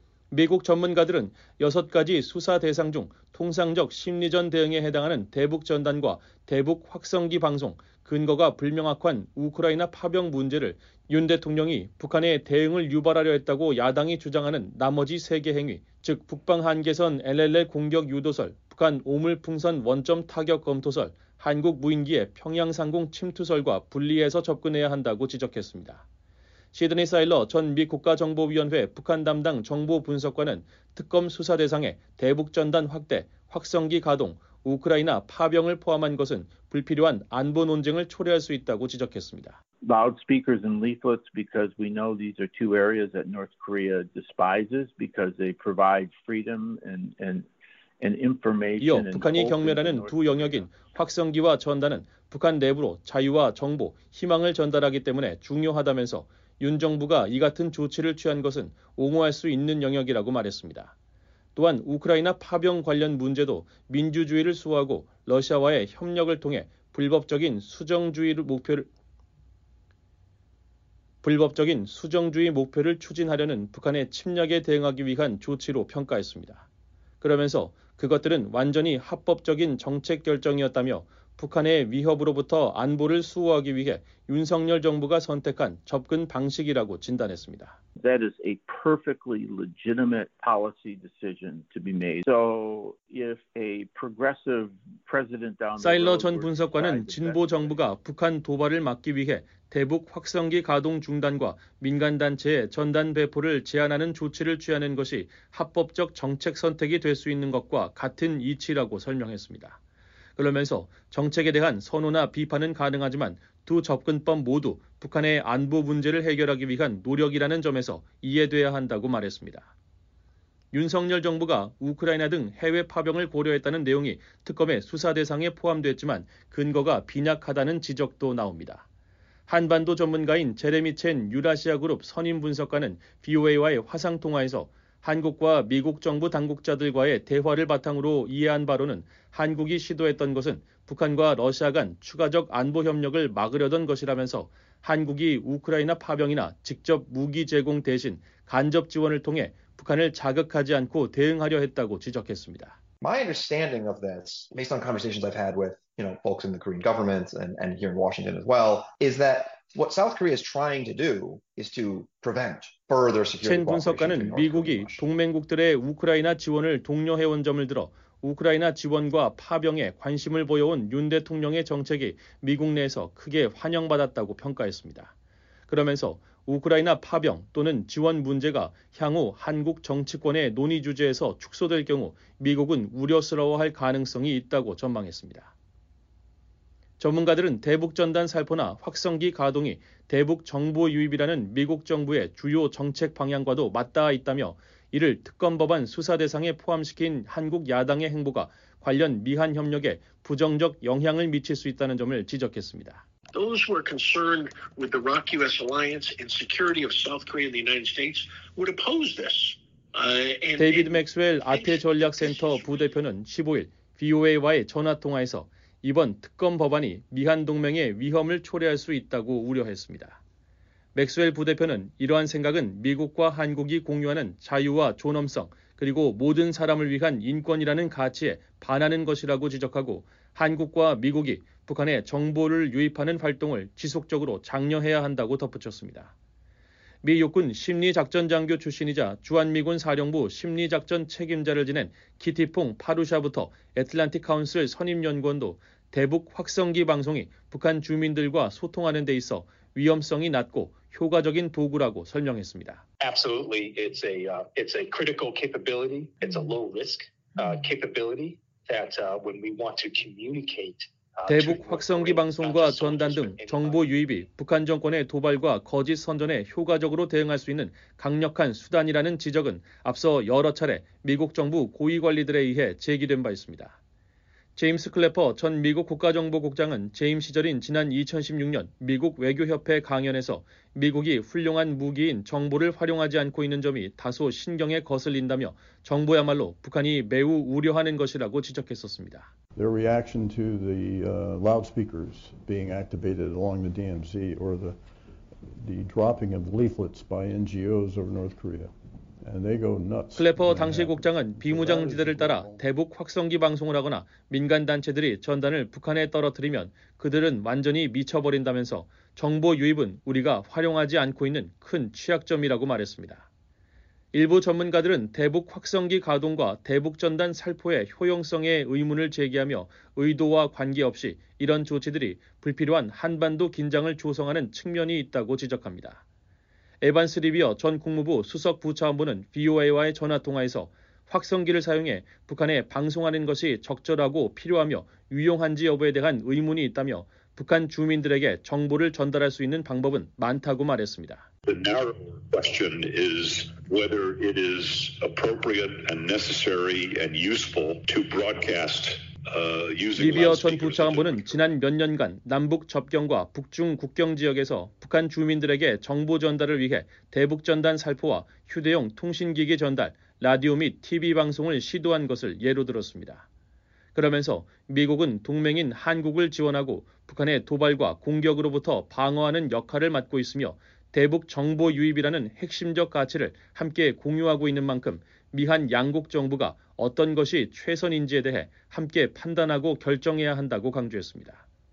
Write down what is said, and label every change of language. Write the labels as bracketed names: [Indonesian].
[Korean] 미국 전문가들은 6가지 수사 대상 중 통상적 심리전 대응에 해당하는 대북 전단과 대북 확성기 방송, 근거가 불명확한 우크라이나 파병 문제를 윤 대통령이 북한의 대응을 유발하려 했다고 야당이 주장하는 나머지 3개 행위, 즉 북방 한계선 LLL 공격 유도설, 북한 오물풍선 원점 타격 검토설, 한국 무인기의 평양상공 침투설과 분리해서 접근해야 한다고 지적했습니다. 시드니 사일러 전 미 국가정보위원회 북한 담당 정보분석관은 특검 수사 대상에 대북전단 확대, 확성기 가동, 우크라이나 파병을 포함한 것은 불필요한 안보 논쟁을 초래할 수 있다고 지적했습니다. [English] Loudspeakers and leaflets, because we know these are two areas that North Korea despises because they provide freedom and information. [Korean] 이어 북한이 경멸하는 두 영역인 확성기와 전단은 북한 내부로 자유와 정보, 희망을 전달하기 때문에 중요하다면서 윤 정부가 이 같은 조치를 취한 것은 옹호할 수 있는 영역이라고 말했습니다. 또한 우크라이나 파병 관련 문제도 민주주의를 수호하고 러시아와의 협력을 통해 불법적인 수정주의 목표를 추진하려는 북한의 침략에 대응하기 위한 조치로 평가했습니다. 그러면서 그것들은 완전히 합법적인 정책 결정이었다며 북한의 위협으로부터 안보를 수호하기 위해 윤석열 정부가 선택한 접근 방식이라고 진단했습니다. [English] That is a perfectly legitimate policy decision to be made. So if a progressive president down the road, [Korean] 사일러 전 분석관은 진보 정부가 북한 도발을 막기 위해 대북 확성기 가동 중단과 민간 단체의 전단 배포를 제한하는 조치를 취하는 것이 합법적 정책 선택이 될 수 있는 것과 같은 이치라고 설명했습니다. 그러면서 정책에 대한 선호나 비판은 가능하지만 두 접근법 모두 북한의 안보 문제를 해결하기 위한 노력이라는 점에서 이해돼야 한다고 말했습니다. 윤석열 정부가 우크라이나 등 해외 파병을 고려했다는 내용이 특검의 수사 대상에 포함됐지만 근거가 빈약하다는 지적도 나옵니다. 한반도 전문가인 제레미 첸 유라시아 그룹 선임 분석가는 VOA와의 화상 통화에서 한국과 미국 정부 당국자들과의 대화를 바탕으로 이해한 바로는 한국이 시도했던 것은 북한과 러시아 간 추가적 안보 협력을 막으려던 것이라면서 한국이 우크라이나 파병이나 직접 무기 제공 대신 간접 지원을 통해 북한을 자극하지 않고 대응하려 했다고 지적했습니다. [English] My understanding of this, based on conversations I've had with, you know, folks in the Korean government and here in Washington as well, is that what South Korea is trying to do is to prevent further security. [Korean] 첸 분석가는 미국이 동맹국들의 우크라이나 지원을 독려해온 점을 들어 우크라이나 지원과 파병에 관심을 보여온 윤 대통령의 정책이 미국 내에서 크게 환영받았다고 평가했습니다. 그러면서 우크라이나 파병 또는 지원 문제가 향후 한국 정치권의 논의 주제에서 축소될 경우 미국은 우려스러워할 가능성이 있다고 전망했습니다. 전문가들은 대북 전단 살포나 확성기 가동이 대북 정보 유입이라는 미국 정부의 주요 정책 방향과도 맞닿아 있다며 이를 특검법안 수사 대상에 포함시킨 한국 야당의 행보가 관련 미한 협력에 부정적 영향을 미칠 수 있다는 점을 지적했습니다. [English] Those who are concerned with the ROK-US alliance and security of South Korea and the United States would oppose this. [Korean] 데이비드 맥스웰 아태 전략센터 부대표는 15일 VOA와의 전화통화에서 이번 특검 법안이 미한 동맹의 위험을 초래할 수 있다고 우려했습니다. 맥스웰 부대표는 이러한 생각은 미국과 한국이 공유하는 자유와 존엄성 그리고 모든 사람을 위한 인권이라는 가치에 반하는 것이라고 지적하고 한국과 미국이 북한에 정보를 유입하는 활동을 지속적으로 장려해야 한다고 덧붙였습니다. 미 육군 심리작전장교 출신이자 주한미군 사령부 심리작전 책임자를 지낸 기티퐁 파루샤부터 애틀란틱 카운슬 선임연구원도 대북 확성기 방송이 북한 주민들과 소통하는 데 있어 위험성이 낮고 효과적인 도구라고 설명했습니다. [English] Absolutely, it's a critical capability. It's a low risk capability that when we want to communicate. [Korean] 대북 확성기 방송과 전단 등 정보 유입이 북한 정권의 도발과 거짓 선전에 효과적으로 대응할 수 있는 강력한 수단이라는 지적은 앞서 여러 차례 미국 정부 고위 관리들에 의해 제기된 바 있습니다. 제임스 클래퍼 전 미국 국가정보국장은 재임 시절인 지난 2016년 미국 외교협회 강연에서 미국이 훌륭한 무기인 정보를 활용하지 않고 있는 점이 다소 신경에 거슬린다며 정부야말로 북한이 매우 우려하는 것이라고 지적했었습니다. [English] Their reaction to the loudspeakers being activated along the DMZ or the dropping of leaflets by NGOs over North Korea. And they go nuts. [Korean] 클래퍼 당시 국장은 비무장지대를 따라 대북 확성기 방송을 하거나 민간단체들이 전단을 북한에 떨어뜨리면 그들은 완전히 미쳐버린다면서 정보 유입은 우리가 활용하지 않고 있는 큰 취약점이라고 말했습니다. 일부 전문가들은 대북 확성기 가동과 대북 전단 살포의 효용성에 의문을 제기하며 의도와 관계없이 이런 조치들이 불필요한 한반도 긴장을 조성하는 측면이 있다고 지적합니다. 에반스 리비어 전 국무부 수석 부차관보는 VOA와의 전화통화에서 확성기를 사용해 북한에 방송하는 것이 적절하고 필요하며 유용한지 여부에 대한 의문이 있다며 북한 주민들에게 정보를 전달할 수 있는 방법은 많다고 말했습니다. [English] The narrow question is whether it is appropriate and necessary and useful to broadcast. [Korean] 리비어 전 부차관보는 지난 몇 년간 남북 접경과 북중 국경 지역에서 북한 주민들에게 정보 전달을 위해 대북 전단 살포와 휴대용 통신기기 전달, 라디오 및 TV 방송을 시도한 것을 예로 들었습니다. 그러면서 미국은 동맹인 한국을 지원하고 북한의 도발과 공격으로부터 방어하는 역할을 맡고 있으며 대북 정보 유입이라는 핵심적 가치를 함께 공유하고 있는 만큼 미한 양국 정부가 어떤 것이 최선인지에 대해 함께 판단하고 결정해야 한다고 강조했습니다.